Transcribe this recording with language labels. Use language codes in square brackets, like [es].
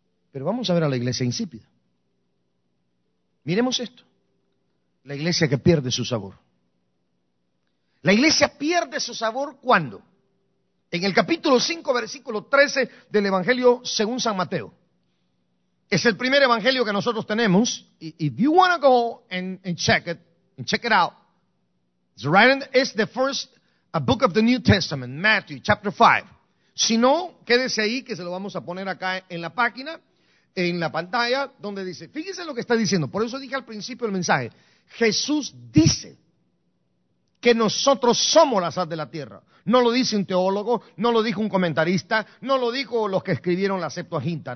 [es] Pero vamos a ver a la iglesia insípida. Miremos esto. La iglesia que pierde su sabor. La iglesia pierde su sabor cuando, en el capítulo 5, versículo 13 del Evangelio según San Mateo. Es el primer evangelio que nosotros tenemos. [en] If you want to go and check it out. It's right in the, it's the first a book of the New Testament, Matthew chapter 5. [es] Si no, quédese ahí que se lo vamos a poner acá en la página, en la pantalla, donde dice, fíjese lo que está diciendo. Por eso dije al principio el mensaje. Jesús dice que nosotros somos la sal de la tierra. No lo dice un teólogo, no lo dijo un comentarista, no lo dijo los que escribieron la Septuaginta.